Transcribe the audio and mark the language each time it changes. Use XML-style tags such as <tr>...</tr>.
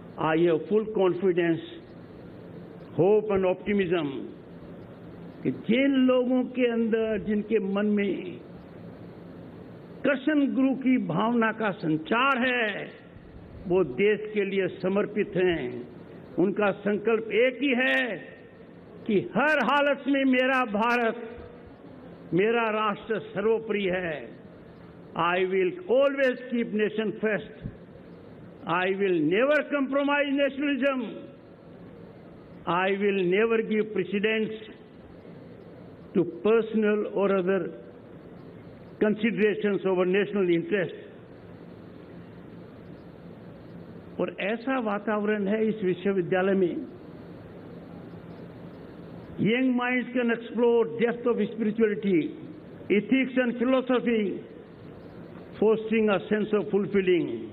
<en>I have full confidence, hope and optimism</en> <hi>कि जिन लोगों के अंदर, जिनके मन में कृष्ण गुरु की भावना का संचार है, वो देश के लिए समर्पित हैं। उनका संकल्प एक ही है कि हर हालत में मेरा भारत, मेरा राष्ट्र सर्वोपरि है।</hi> <en>I will always keep nation first. I will never compromise nationalism. I will never give precedence to personal or other considerations over national interest.</en> <hi>और ऐसा वातावरण है इस विश्वविद्यालय में,</hi> <en>Young minds can explore depth of spirituality, ethics and philosophy, fostering a sense of fulfilling.</en>